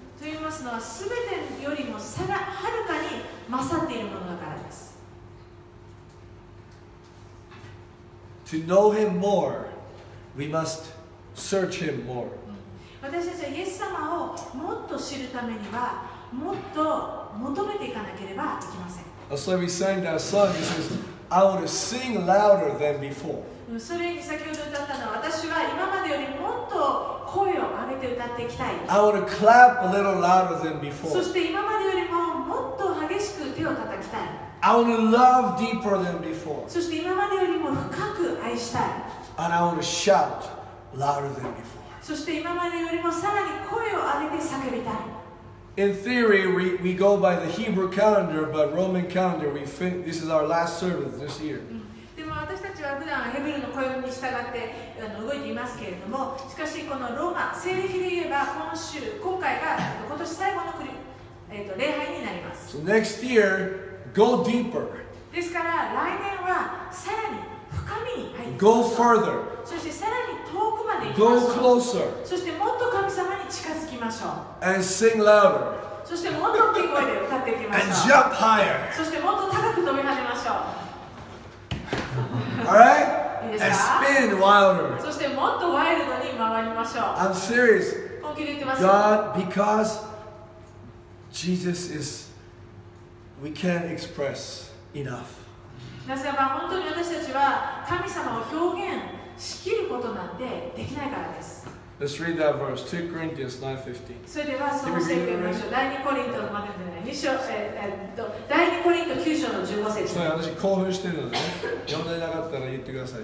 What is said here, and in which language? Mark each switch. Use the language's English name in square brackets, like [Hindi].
[Japanese] と言いますのは、すべてよりもさらはるかに勝っているものだからです。 [English] To know him more, we must search him more. [Japanese] 私たちはイエス様をもっと知るためには、もっと求めていかなければいけません。 [English] That's why we sang that song. He says, I want to sing louder than before. [Japanese] それに先ほど歌ったのは、私は今までよりもっと声を上げて歌っていきたい。 [English] I want to clap a little louder than before. [Japanese] そして今までよりももっと激しく手を叩きたい。 [English] I want to love deeper than before. [Japanese] そして今までよりも深く愛したい。 [English] And I want to shout louder than before. [Japanese] そして今までよりもさらに声を上げて叫びたい。 [English] In theory, we go by the Hebrew calendar, but Roman calendar, we fin- this is our last service this year. [Japanese] でも私たちは普段ヘブルの暦に従って動いていますけれども、しかしこのローマ、西暦で言えば今週、今回が今年最後の礼拝になります。 [English] So next year, go deeper. [Japanese] ですから来年はさらに深みに入ります。 [English] Go further. [Japanese] そしてさらに遠くまで行きましょう。 [English] Go closer. [Japanese] そしてもっと神様に近づきましょう。 [English] And sing louder. [Japanese] そしてもっと大きい声で歌っていきましょう。 [English] And jump higher. [Japanese] そしてもっと高く飛び始めましょう。 [English] All right? [Japanese] いい [English] And spin wilder. [Japanese] そしてもっとワイルドに回りましょう。 [English] I'm serious. [Japanese] 本気で言ってます。 [English] God, because Jesus is, we can't express enough. [Japanese] なぜか本当に私たちは神様を表現しきることなんてできないからです。 [English] Let's read that verse, 2 Corinthians 9:15. [Japanese] それではその聖句を見ましょう。第2コリントの学んでね、2章、第2コリント9章の15節。そう、私興奮してるので、読んでなかったら言ってください。